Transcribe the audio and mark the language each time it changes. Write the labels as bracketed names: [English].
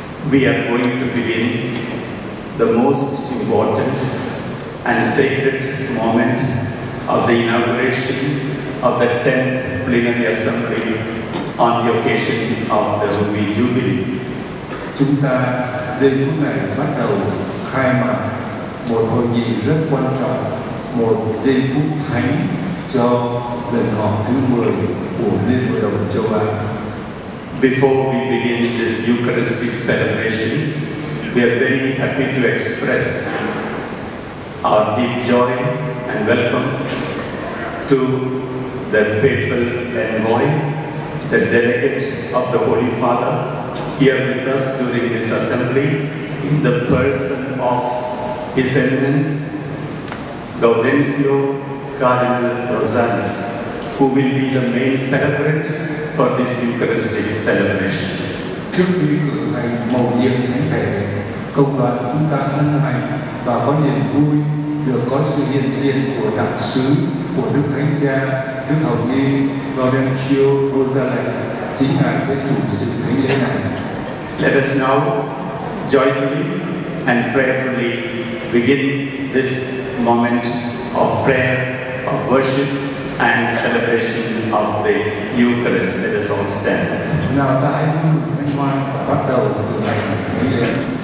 [English] We are going to begin the most important and sacred moment of the inauguration of the 10th Plenary Assembly on the occasion of the Ruby Jubilee. [Vietnamese] Chúng ta giây phút này bắt đầu khai mạc một hội nghị rất quan trọng, một giây phút thánh cho lần họp thứ 10 của Liên Hội đồng Châu Á. [English] Before we begin this Eucharistic celebration, we are very happy to express our deep joy and welcome to the papal envoy, the delegate of the Holy Father, here with us during this assembly, in the person of His Eminence, Gaudencio Cardinal Rosales, who will be the main celebrant for this Eucharistic celebration. [Vietnamese] Trước khi cử hành mầu nhiệm thánh thể, công đoàn chúng ta hân hạnh và có niềm vui được có sự hiện diện của đặc sứ của Đức Thánh Cha, Đức Hồng Y Gaudencio Rosales, chính ngài sẽ chủ sự thánh lễ này. [English] Let us now joyfully and prayerfully begin this moment of prayer, of worship, and celebration of the Eucharist. Let us all stand. [Vietnamese] Now, tại vương quốc thiên hoàng bắt đầu từ ngày thánh lễ.